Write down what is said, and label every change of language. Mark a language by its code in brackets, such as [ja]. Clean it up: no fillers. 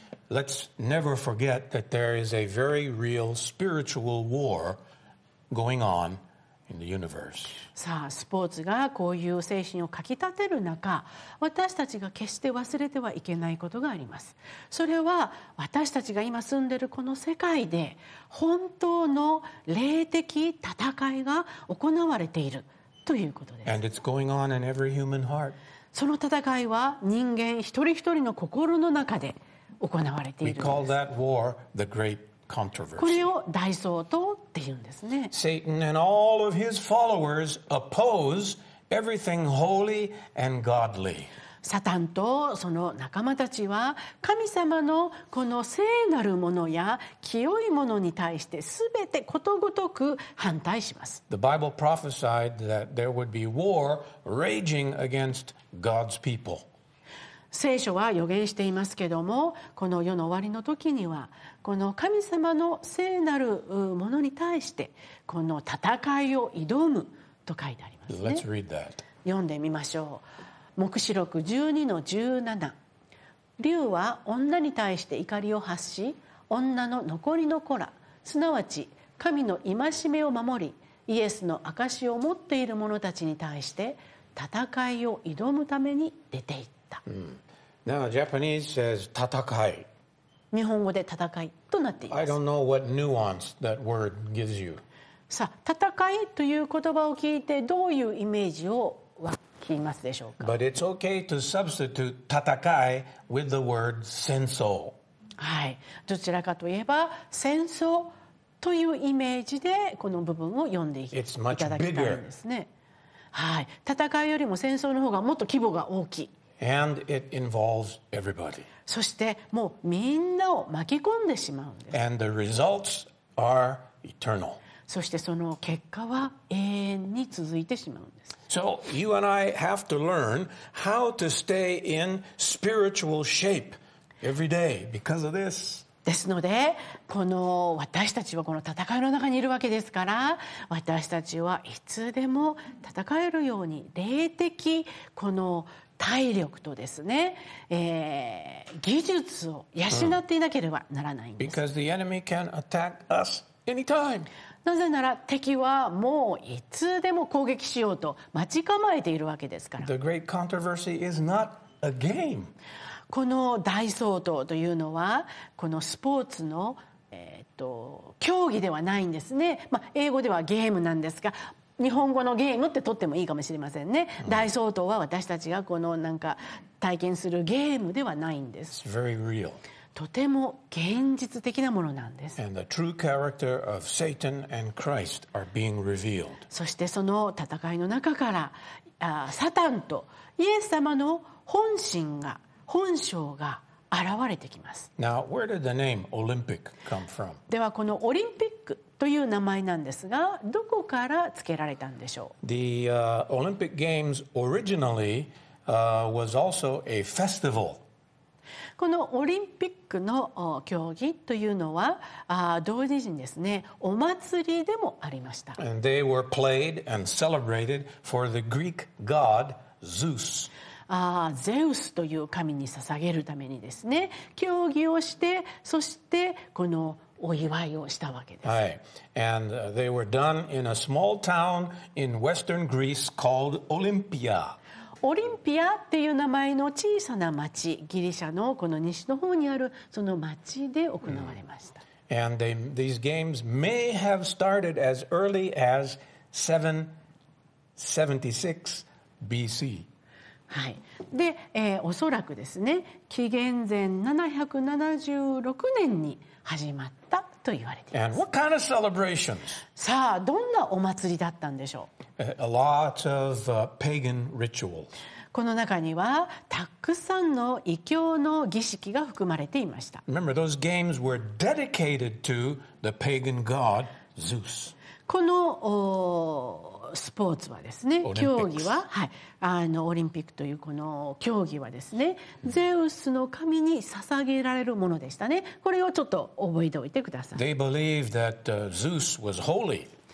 [en] Let's never forget that there is a very real spiritual war going onIn the universe. [ja] さあ、スポーツがこういう精神をかきたてる中、私たちが決して忘れてはいけないことがあります。それは私たちが今住んでいるこの世界で本当の霊的戦いが行われているということです。 [en] And it's going on in every human heart. [ja] その戦いは人間一人一人の心の中で行われているんです。 [en] We call that war the great controversy. [ja] これを大争と。 [en] Satan and all of his followers oppose everything holy and godly. [ja] サタンとその仲間たちは神様のこの聖なるものや清いものに対してすべてことごとく反対します。 [en] The Bible prophesied that there would be war raging against God's people. [ja] 聖書は予言していますけども、この世の終わりの時にはこの神様の聖なるものに対してこの戦いを挑むと書いてありますね。 [en] Let's read that. [ja] 読んでみましょう。黙示録 12-17、 竜は女に対して怒りを発し、女の残りの子らすなわち神の戒めを守りイエスの証を持っている者たちに対して戦いを挑むために出ていった、 [en] Now, Japanese says 戦い、 [ja] 日本語で戦いとなっています。 [en] I don't know what nuance that word gives you. [ja] さあ、戦いという言葉を聞いてどういうイメージを湧きますでしょうか。 [en] But it's okay to substitute 戦い with the word 戦争。 [ja] はい、どちらかといえば戦争というイメージでこの部分を読んでいただきたいんですね。はい、戦いよりも戦争の方がもっと規模が大きい。 [en] And it involves everybody. [ja] そしてもうみんなを巻き込んでしまうんです。 [en] And the results are eternal. [ja] そしてその結果は永遠に続いてしまうんです。 [en] So you and I have to learn how to stay in spiritual shape every day because of this. [ja] ですので、この私たちはこの戦いの中にいるわけですから、私たちはいつでも戦えるように霊的この体力とですね、技術を養っていなければならないんです。 [en] Because the enemy can attack us anytime. [ja] なぜなら敵はもういつでも攻撃しようと待ち構えているわけですから。 [en] The great controversy is not a game. [ja] この大争闘というのはこのスポーツの、競技ではないんですね。まあ、英語ではゲームなんですが、日本語のゲームって取ってもいいかもしれませんね。大争闘は私たちがこのなんか体験するゲームではないんです。 [en] It's very real. [ja] とても現実的なものなんです。 [en] And the true character of Satan and Christ are being revealed. [ja] そしてその戦いの中からサタンとイエス様の本心が本性が現れてきます。 [en] Now, where did the name Olympic come from? [ja] ではこのオリンピックという名前なんですが、どこから付けられたんでしょう。 [en] The Olympic Games originally was also a festival. [ja] このオリンピックの競技というのは同時にですね、お祭りでもありました。 [en] And they were played and celebrated for the Greek god Zeus. [ja] ゼウスという神に捧げるためにですね、競技をして、そしてこのお祝いをしたわけです。はい。 [en] And they were done in a small town in western Greece called Olympia. [ja] オリンピアっていう名前の小さな町、ギリシャのこの西の方にあるその町で行われました。 [en] And these games may have started as early as 776 BC. [ja] はい。で、おそらくですね、紀元前776年に始まったと言われています。 [en] And what kind of celebrations? [ja] さあ、どんなお祭りだったんでしょう。 [en] A lot of pagan rituals. [ja] この中にはたくさんの異教の儀式が含まれていました。 [en] Remember, those games were dedicated to the pagan god Zeus. [ja] このスポーツはですね、競技は、はい、オリンピックというこの競技はですね、ゼウスの神に捧げられるものでしたね。これをちょっと覚えておいてください。 [en] They believed that Zeus was holy.